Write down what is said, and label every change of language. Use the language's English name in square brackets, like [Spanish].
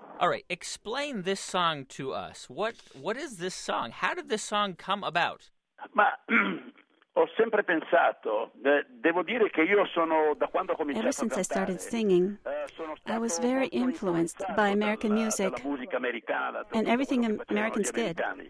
[English] All right, explain this song to us. What is this song? How did this song come about? [Italian] Ma... Ho sempre pensato, devo dire che io sono da quando ho cominciato a cantare. [English] Ever since I started singing, I was very influenced by American music and everything Americans did.